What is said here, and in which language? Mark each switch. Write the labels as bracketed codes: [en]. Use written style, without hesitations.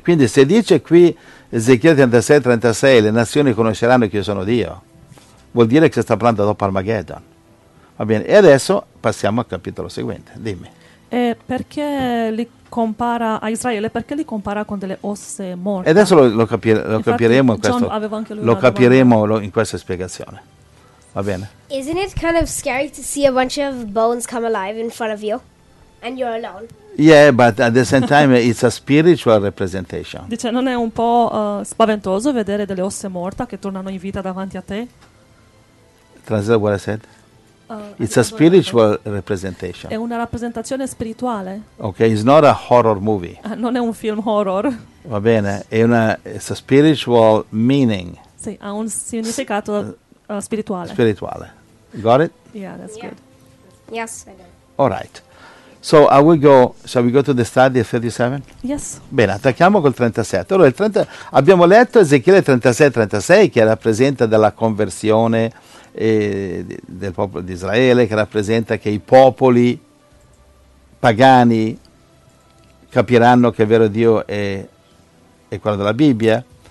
[it] Quindi se dice qui Ezechiele 36, 36, le nazioni conosceranno che io sono Dio, vuol dire che si sta parlando dopo Armageddon. Va bene, e adesso passiamo al capitolo seguente, dimmi. E perché li compara a Israele? Perché li compara con delle osse morte? E adesso lo capiremo in questo, in questa spiegazione. Va bene? [en] Isn't it kind of scary to see a bunch of bones come alive in front of you and you're alone? Yeah, but at the same time it's a spiritual representation. [it] Dice, non è un po' spaventoso vedere delle osse morte che tornano in vita davanti a te? [en] Translate what I said. It's a spiritual representation. [it] È una rappresentazione spirituale. [en] Okay, it's not a horror movie. [it] Non è un film horror. Va bene, è una, [en] it's a spiritual meaning. [it] Sì, ha un significato spirituale. Spirituale. [en] Got it? Yeah, that's good. Yes, I do. All right. So shall we go to the study of 37? Yes. [it] Bene, attacchiamo col 37. Allora, abbiamo letto Ezechiele 36, 36, che rappresenta della conversione del popolo di Israele, che rappresenta che i popoli pagani capiranno che il vero Dio è quello della Bibbia.